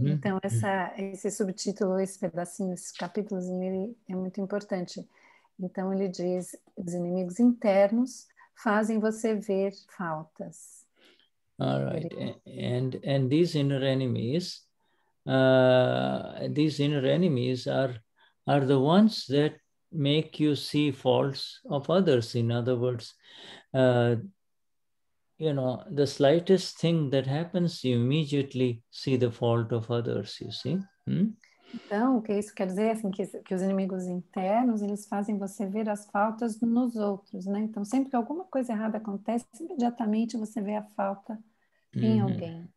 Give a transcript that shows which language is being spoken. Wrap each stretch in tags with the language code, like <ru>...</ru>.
<pt>Então, esse subtítulo, esse pedacinho, esse capítulo, ele é muito importante. Então, ele diz, os inimigos internos fazem você ver faltas.</pt> <en>All right. And these inner enemies, are the ones that make you see faults of others. In other words, you know, the slightest thing that happens, you immediately see the fault of others, you see.</en> <pt>Então, o que isso quer dizer? Assim, que os inimigos internos, eles fazem você ver as faltas nos outros, né? Então, sempre que alguma coisa errada acontece, imediatamente você vê a falta em alguém.</pt>